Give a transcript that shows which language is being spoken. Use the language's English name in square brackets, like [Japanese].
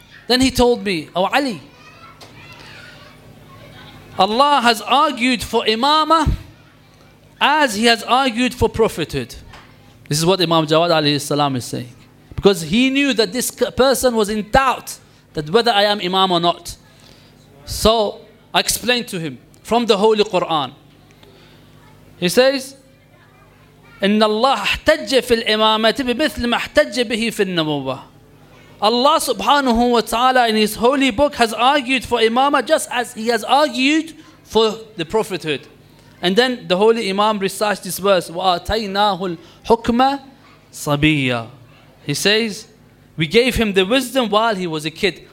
[English] Then he told me, "Oh Ali, Allah has argued for Imamah as he has argued for prophethood." This is what Imam Jawad alayhi salam is saying. Because he knew that this person was in doubt that whether I am Imam or not. So I explained to him from the Holy Quran. He says, [Arabic] إن الله احتج في الإمامة بمثل ما احتج به في النبوة. [English] Allah subhanahu wa ta'ala in his holy book has argued for imama just as he has argued for the prophethood. And then the holy imam recites this verse, [Arabic] وَآتَيْنَاهُ الْحُكْمَ صَبِيًّا. [English] He says, we gave him the wisdom while he was a kid.